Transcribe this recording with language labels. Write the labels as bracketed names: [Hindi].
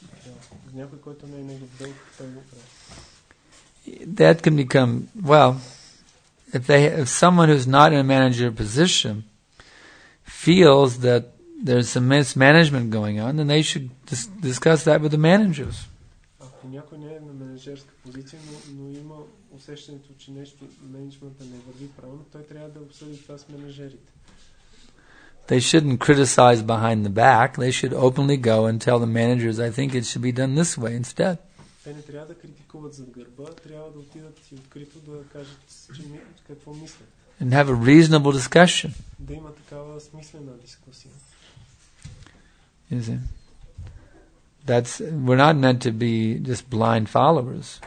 [English] to... That can become, well, if someone who's not in a manager position feels that there's some mismanagement going on, then they should discuss that with the managers. [Bulgarian] Някой не е на менеджерска позиция, но има усещането, че нещо менеджмента не върви правилно, той трябва да обсъди това с менеджерите. [English] They shouldn't criticize behind the back. They should openly go and tell the managers, I think it should be done this way instead. [Bulgarian] Те не трябва да критикуват зад гърба, трябва да отидат и открито да кажат какво мислят. [English] And have a reasonable discussion. [Bulgarian] Да има такава смислена дискусия. [English] Is it? That's, we're not meant to be just blind followers.